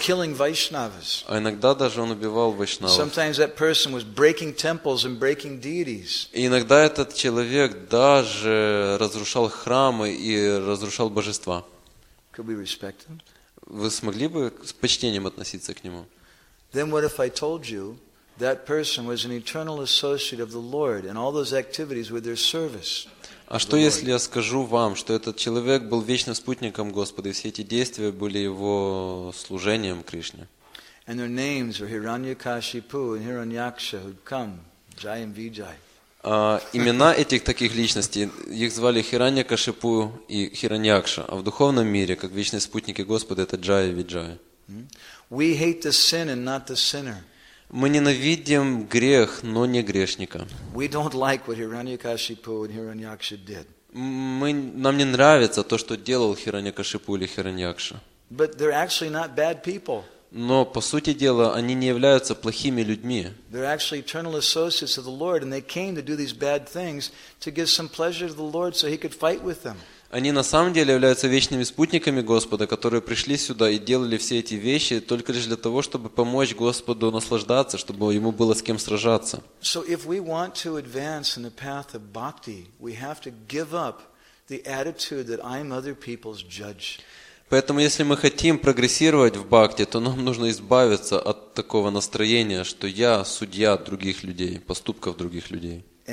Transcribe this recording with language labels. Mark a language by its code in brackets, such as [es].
[ru] А иногда даже он убивал вайшнавов. И иногда этот человек даже разрушал храмы и разрушал божества. [en] Could we respect him? [ru] Вы смогли бы с почтением относиться к нему? [en] Then what if I told you that person was an eternal associate of the Lord and all those activities were their service? [ru] А что если я скажу вам, что этот человек был вечным спутником Господа, и все эти действия были его служением Кришне? [en] And their names were Hiranyakashipu and Hiranyaksha who'd come, Jayam Vijay. [ru] Имена этих таких личностей, их звали Хираньякашипу и Хираньякша, а в духовном мире, как вечные спутники Господа, это Джая и Виджая. [en] We hate the sin and not the sinner. [ru] Мы ненавидим грех, но не грешника. [en] We don't like what Hiranyakashipu and Hiranyaksha did. [ru] Нам не нравится то, что делал Хираньякашипу или Хираньякша. [en] But they're actually not bad people. [ru] Но, по сути дела, они не являются плохими людьми. [en] They're actually eternal associates of the Lord, and they came to do these bad things to give some pleasure to the Lord so he could fight with them. [ru] Они на самом деле являются вечными спутниками Господа, которые пришли сюда и делали все эти вещи только лишь для того, чтобы помочь Господу наслаждаться, чтобы ему было с кем сражаться. [en] So if we want to advance in the path of bhakti, we have to give up the attitude that I'm other people's judge. [ru] Поэтому, если мы хотим прогрессировать в бхакти, то нам нужно избавиться от такого настроения, что я судья других людей, поступков других людей.